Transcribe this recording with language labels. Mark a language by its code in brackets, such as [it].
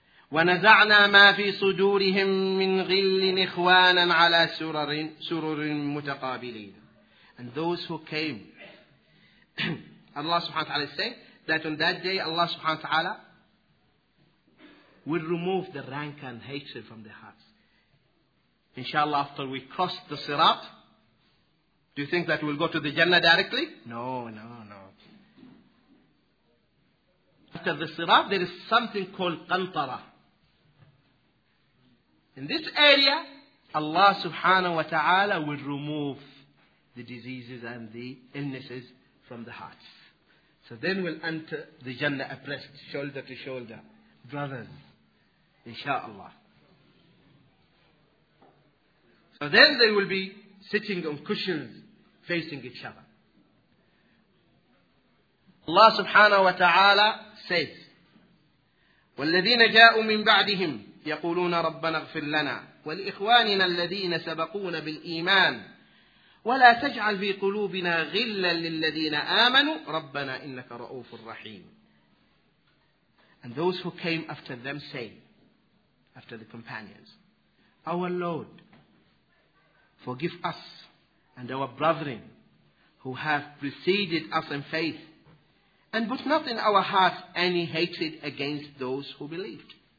[ar] ونزعنا ما في صدورهم من غل إخوانا على سرر متقابلين. [en] And those who came, Allah subhanahu wa ta'ala say that on that day Allah subhanahu wa ta'ala will remove the rancor and hatred from their hearts. Inshallah, after we cross the sirat, do you think that we'll go to the Jannah directly? No. After the sirat, there is something called qantara. In this area, Allah subhanahu wa ta'ala will remove the diseases and the illnesses from the hearts. So then we'll enter the Jannah abreast, shoulder to shoulder, brothers, inshallah. So then they will be sitting on cushions facing each other. Allah subhanahu wa ta'ala says, [ar] وَالَّذِينَ جَاءُوا مِنْ بَعْدِهِمْ يَقُولُونَ رَبَّنَا اغْفِرْ لَنَا وَالْإِخْوَانِنَا الَّذِينَ سَبَقُونَ بِالْإِيمَانِ وَلَا تَجْعَلْ فِي قُلُوبِنَا غِلًّا لِلَّذِينَ آمَنُوا رَبَّنَا إِنَّكَ رَؤُوفٌ رَحِيمٌ. [en] And those who came after them say, after the companions, Our Lord, forgive us and our brethren who have preceded us in faith, and put not in our hearts any hatred against those who believed.